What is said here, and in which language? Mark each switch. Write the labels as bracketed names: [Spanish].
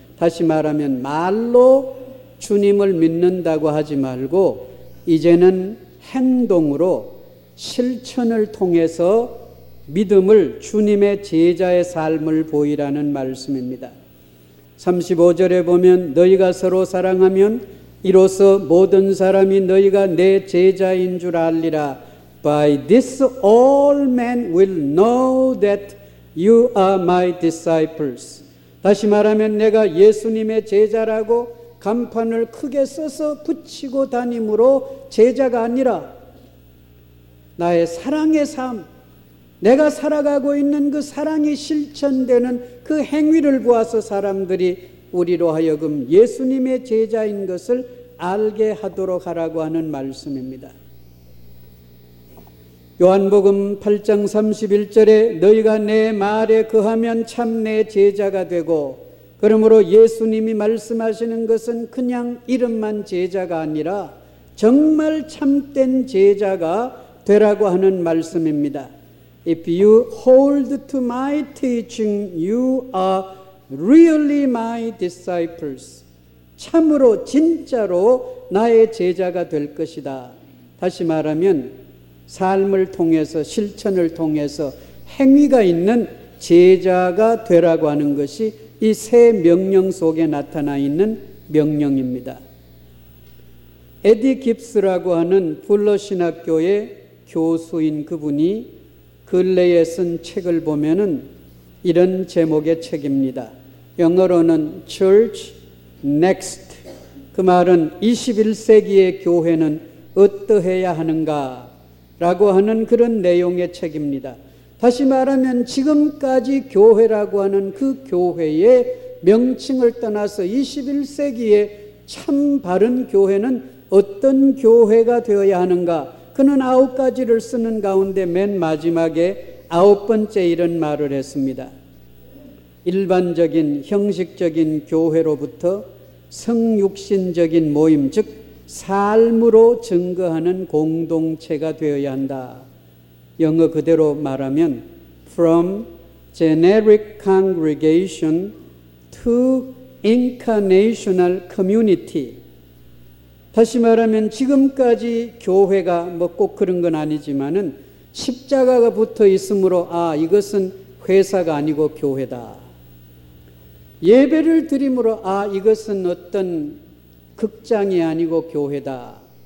[Korean] 다시 말하면 말로 주님을 믿는다고 하지 말고 이제는 행동으로 실천을 통해서 믿음을, 주님의 제자의 삶을 보이라는 말씀입니다. 35절에 보면 너희가 서로 사랑하면 이로써 모든 사람이 너희가 내 제자인 줄 알리라. [English] By this all men will know that you are my disciples. [Korean] 다시 말하면 내가 예수님의 제자라고 간판을 크게 써서 붙이고 다니므로 제자가 아니라 나의 사랑의 삶, 내가 살아가고 있는 그 사랑이 실천되는 그 행위를 보아서 사람들이 우리로 하여금 예수님의 제자인 것을 알게 하도록 하라고 하는 말씀입니다. 요한복음 8장 31절에 너희가 내 말에 거하면 참 내 제자가 되고, 그러므로 예수님이 말씀하시는 것은 그냥 이름만 제자가 아니라 정말 참된 제자가 되라고 하는 말씀입니다. [English] If you hold to my teaching, you are really my disciples. [Korean] 참으로 진짜로 나의 제자가 될 것이다. 다시 말하면 삶을 통해서 실천을 통해서 행위가 있는 제자가 되라고 하는 것이 이 세 명령 속에 나타나 있는 명령입니다. 에디 깁스라고 하는 풀러 신학교의 교수인 그분이 근래에 쓴 책을 보면은 이런 제목의 책입니다. 영어로는 Church Next. 그 말은 21세기의 교회는 어떠해야 하는가 라고 하는 그런 내용의 책입니다. 다시 말하면 지금까지 교회라고 하는 그 교회의 명칭을 떠나서 21세기에 참 바른 교회는 어떤 교회가 되어야 하는가. 그는 아홉 가지를 쓰는 가운데 맨 마지막에 아홉 번째 이런 말을 했습니다. 일반적인 형식적인 교회로부터 성육신적인 모임, 즉 삶으로 증거하는 공동체가 되어야 한다. 영어 그대로 말하면 [English] From generic congregation to incarnational community. [Korean] 다시 말하면 지금까지 교회가 뭐 꼭 그런 건 아니지만은 십자가가 붙어 있으므로 아 이것은 회사가 아니고 교회다. 예배를 드림으로 아 이것은 어떤 극장이 아니고 교회다.